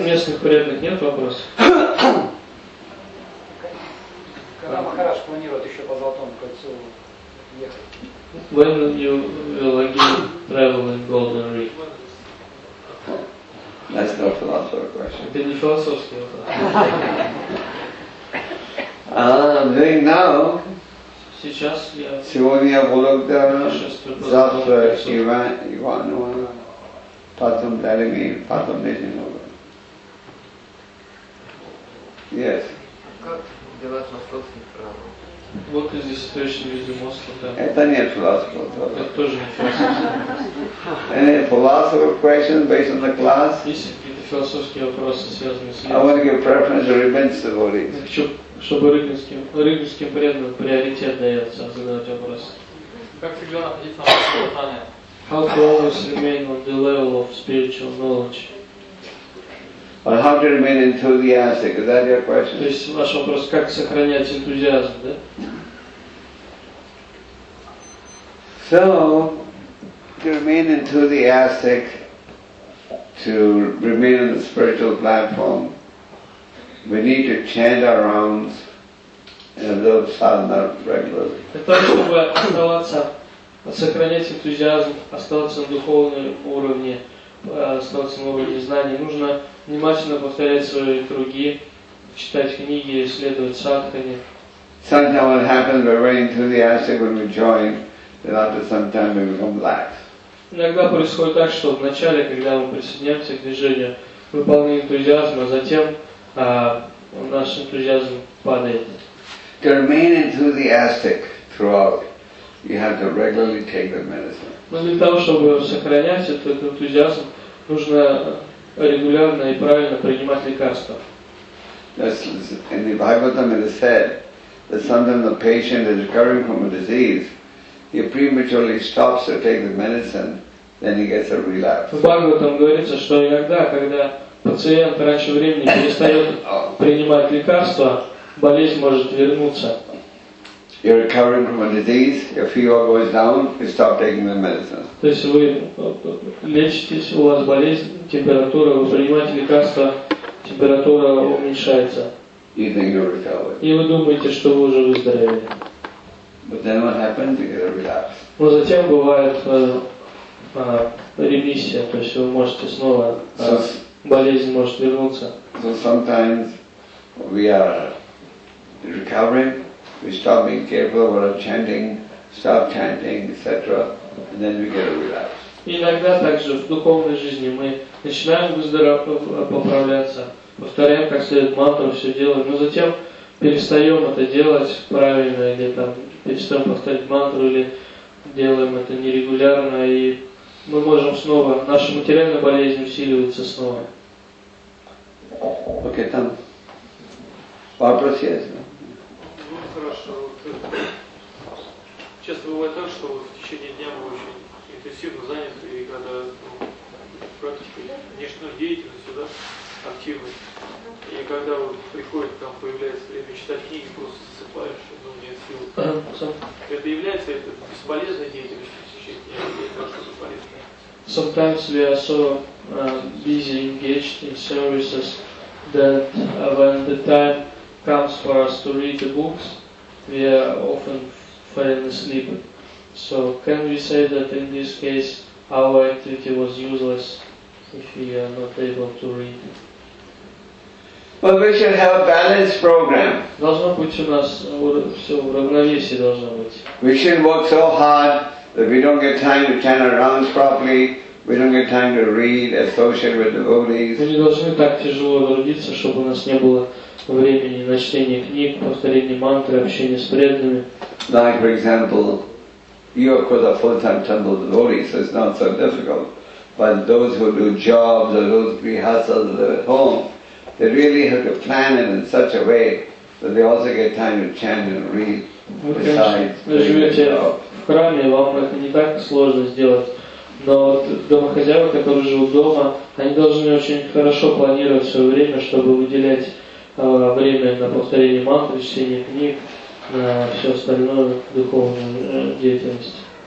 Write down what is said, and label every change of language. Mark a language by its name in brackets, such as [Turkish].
[Russian] От местных преданных нет вопросов. Когда Махарадж планирует еще по Золотому кольцу ехать? [English] When you will again travel in Golden Ring? That's not a philosophical question. Then you also still have a question. I'm doing now. [Russian] Завтра Иван, Иванова, потом Далеми, потом Нижнего. [English] Yes. What is the situation with the mosque? [Russian] Это не философ. Это тоже не философ. [English] Any philosophical question based on the class? [Russian] Есть философские вопросы, связанные с. [English] I want to give preference to Rybinsky devotees. [Russian] Хочу, чтобы Рыбинским преданным приоритет дается задавать вопросы. Как всегда находиться на москлотане? [English] How to always remain on the level of spiritual knowledge? Or how to remain enthusiastic? Is that your question? [Russian] То есть ваш вопрос, как сохранять энтузиазм, да? [English] So, to remain enthusiastic, to remain on the spiritual platform, we need to chant our rounds and observe sadhana regularly. [Russian] Для того, чтобы оставаться, сохранять энтузиазм, оставаться на духовном уровне, оставаться на уровне знаний, нужно внимательно повторять свои круги, читать книги, исследовать садхане. [English] Sometimes what happens, we're very enthusiastic when we join, then after some time we become lax. [Russian] Иногда происходит так, что вначале, когда мы присоединяемся к движению, мы полны энтузиазма, а затем наш энтузиазм падает. [English] To remain enthusiastic throughout You have to regularly take the medicine. [Russian] Но для того, чтобы сохранять этот энтузиазм, нужно регулярно и правильно принимать лекарства. [English] In the Bhagavatam it is said that sometimes the patient is recovering from a disease, he prematurely stops to take the medicine, then he gets a relapse. [Russian] В Бхагаватам говорится, что иногда, когда пациент раньше времени перестает принимать лекарства, болезнь может вернуться. [English] You're recovering from a disease, your fever goes down, you stop taking the medicine. [Russian] То есть вы лечитесь, у вас болезнь, температура, вы принимаете лекарства, температура уменьшается. [English] You think you're recovered. [Russian] И вы думаете, что вы уже выздоровели. [English] But then what happens? You get a relapse. [Russian] Но затем бывает ремиссия, то есть вы можете снова, болезнь может вернуться. [English] So sometimes we are recovering. We stop being careful about our chanting, stop chanting, etc., and then we get a relapse. [Russian] Иногда также в духовной жизни мы начинаем поправляться, повторяем как следует мантру, все делаем, но затем перестаем это делать правильно или там перестаем повторять мантру или делаем это нерегулярно, и мы можем снова, наша материальная болезнь усиливается снова. Окей, там вопрос есть. Хорошо. Часто бывает так, что в течение дня мы очень интенсивно заняты, и когда практикой внешней деятельности, да, активной, и когда приходит, там появляется время читать книги, просто засыпаешь, но нет сил. Это является бесполезной деятельностью в течение дня, или это что-то полезное? [English] Sometimes we are so busy engaged in services that when the time comes for us to read the books, we are often falling asleep. So can we say that in this case our activity was useless if we are not able to read? But we should have a balanced program. [Russian] Должно быть у нас все в равновесии должно быть. [English] We should work so hard that we don't get time to chant our rounds properly, we don't get time to read, associate with devotees. [Russian] Мы не должны так тяжело трудиться, чтобы у нас не было времени на чтение книг, повторение мантры, общение с преданными. [English] Like, for example, you of course are full-time temple devotees, so it's not so difficult. But those who do jobs or those grihasthas that live at home, they really have to plan it in such a way that they also get time to chant and read. [Russian] Вы, конечно, живете в храме, вам это не так сложно сделать. Но домохозяева, которые живут дома, они должны очень хорошо планировать свое время, чтобы выделять время на повторение мантры, чтение книг, на все остальное духовную деятельность.